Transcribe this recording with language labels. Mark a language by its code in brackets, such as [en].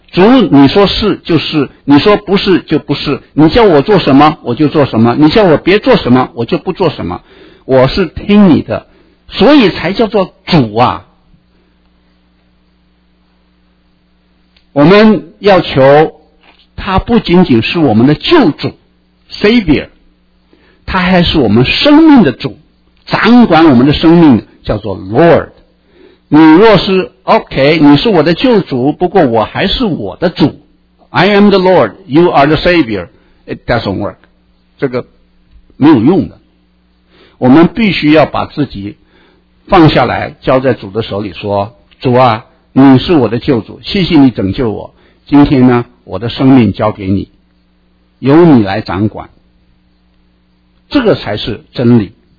[zh] 主你说是就是，你说不是就不是，你叫我做什么我就做什么，你叫我别做什么我就不做什么，我是听你的，所以才叫做主啊。我们要求他不仅仅是我们的救主 Savior， 他还是我们生命的主，掌管我们的生命叫做 Lord。你若是 OK， 你是我的救主，不过我还是我的主， [en] I am the Lord, you are the Savior, it doesn't work， [zh] 这个没有用的。我们必须要把自己放下来，交在主的手里，说主啊，你是我的救主，谢谢你拯救我，今天呢，我的生命交给你，由你来掌管，这个才是真理。